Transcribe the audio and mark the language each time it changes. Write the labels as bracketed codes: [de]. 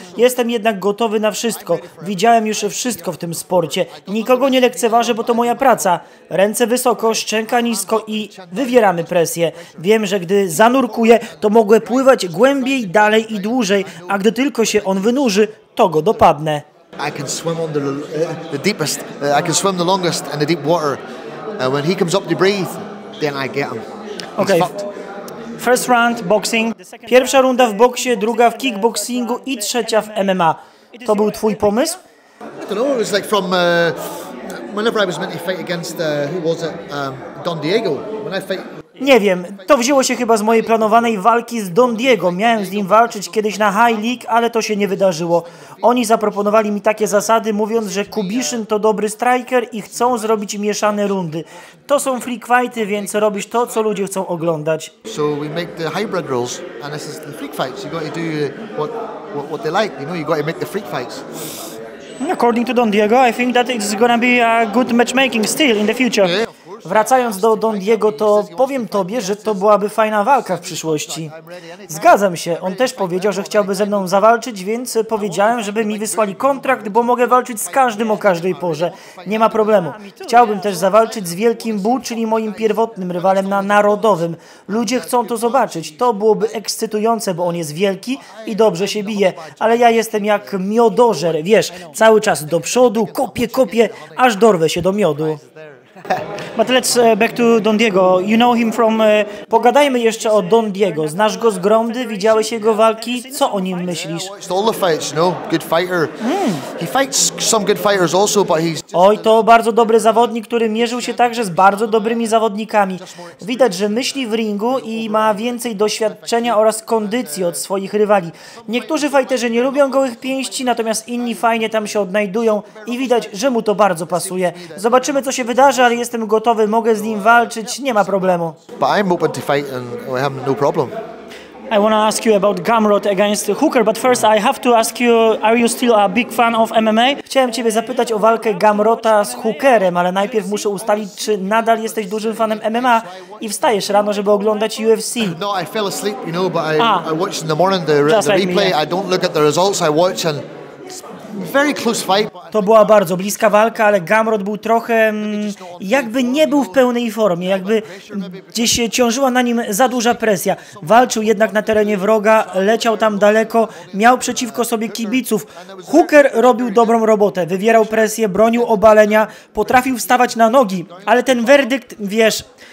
[pl] Jestem jednak gotowy na wszystko. Widziałem już wszystko w tym sporcie. Nikogo nie lekceważę, bo to moja praca. Ręce wysoko, szczęka nisko i wywieramy presję. Wiem, że gdy zanurkuję, to mogę pływać głębiej, dalej i dłużej, a gdy tylko się on wynurzy, to go dopadnę. [en] I can swim under the deepest, I can swim the longest in the deep water. When he comes up to breathe, then I get him. Okay. First round boxing. [pl] Pierwsza runda w boksie, druga w kickboxingu i trzecia w MMA. To był twój pomysł? [en] I don't know, it was like from whenever I was meant to fight against, who was it, Don Diego. When I fight... [pl] Nie wiem, to wzięło się chyba z mojej planowanej walki z Don Diego. Miałem z nim walczyć kiedyś na High League, ale to się nie wydarzyło. Oni zaproponowali mi takie zasady, mówiąc, że Kubiszyn to dobry striker i chcą zrobić mieszane rundy. To są freak fighty, więc robisz to, co ludzie chcą oglądać. [en] So we make the hybrid rules and this is the freak fights. You got to do what they like, you know, you got to make the freak fights. According to Don Diego, I think that it's gonna be a good matchmaking still in the future. [pl] Wracając do Don Diego, to powiem tobie, że to byłaby fajna walka w przyszłości. Zgadzam się, on też powiedział, że chciałby ze mną zawalczyć, więc powiedziałem, żeby mi wysłali kontrakt, bo mogę walczyć z każdym o każdej porze. Nie ma problemu. Chciałbym też zawalczyć z Wielkim Bu, czyli moim pierwotnym rywalem na Narodowym. Ludzie chcą to zobaczyć. To byłoby ekscytujące, bo on jest wielki i dobrze się bije. Ale ja jestem jak miodożer, wiesz, cały czas do przodu, kopię, aż dorwę się do miodu. [en] But let's back to Don Diego. You know him from... [pl] Pogadajmy jeszcze o Don Diego. Znasz go z Gromdy? Widziałeś jego walki? Co o nim myślisz? [en] All the fights, no. Good fighter. He fights some good fighters also, but he's... [pl] Oj, to bardzo dobry zawodnik, który mierzył się także z bardzo dobrymi zawodnikami. Widać, że myśli w ringu i ma więcej doświadczenia oraz kondycji od swoich rywali. Niektórzy fighterzy nie lubią gołych pięści, natomiast inni fajnie tam się odnajdują i widać, że mu to bardzo pasuje. Zobaczymy, co się wydarzy. Ale jestem gotowy, mogę z nim walczyć, nie ma problemu. [en] But I'm open to fight and I have no problem. I want to ask you about Gamrot against Hooker, but first I have to ask you, are you still a big fan of MMA? [pl] Chciałem ciebie zapytać o walkę Gamrota z Hookerem, ale najpierw muszę ustalić, czy nadal jesteś dużym fanem MMA i wstajesz rano, żeby oglądać UFC. [en] No, I fell asleep, you know, but I watch in the morning the replay. Like me, yeah. I don't look at the results, I watch and very close fight. [pl] To była bardzo bliska walka, ale Gamrot był trochę, jakby nie był w pełnej formie, jakby gdzieś ciążyła na nim za duża presja. Walczył jednak na terenie wroga, leciał tam daleko, miał przeciwko sobie kibiców. Hooker robił dobrą robotę, wywierał presję, bronił obalenia, potrafił wstawać na nogi, ale ten werdykt, wiesz...